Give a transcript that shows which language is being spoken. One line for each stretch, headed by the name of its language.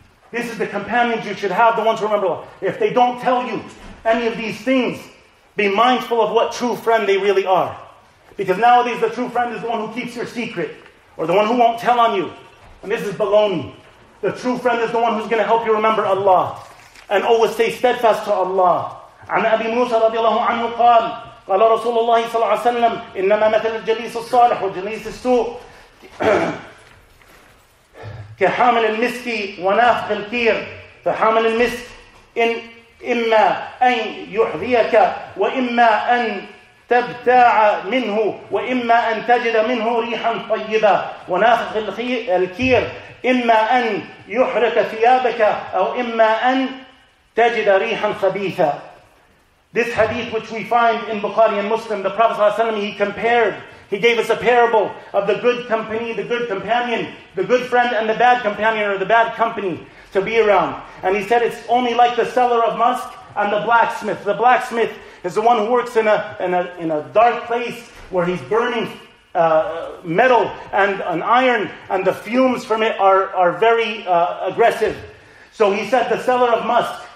English: This is the companions you should have, the ones who remember Allah. If they don't tell you any of these things, be mindful of what true friend they really are. Because nowadays the true friend is the one who keeps your secret, or the one who won't tell on you. And this is baloney. The true friend is the one who's going to help you remember Allah and always stay steadfast to Allah.
Arabic: عن أبي موسى رضي الله عنه قال قال رسول الله صلى الله عليه وسلم إنما مثل الجليس الصالح والجليس السوء كحامل المسك ونافخ الكير فحامل المسك إن إما أن يحذيك وإما أن تبتاع منه وإما أن تجد منه ريحا طيبة ونافخ الكير إما أن يحرق ثيابك أو إما أن تجد ريحا خبيثة.
English: This hadith which we find in Bukhari and Muslim, the Prophet sallallahu alaihi wasallam, he compared, he gave us a parable of the good company, the good companion, the good friend and the bad companion, or the bad company to be around. And he said it's only like the seller of musk and the blacksmith. The blacksmith is the one who works in a dark place where he's burning metal and an iron, and the fumes from it are very aggressive. So he said the seller of musk,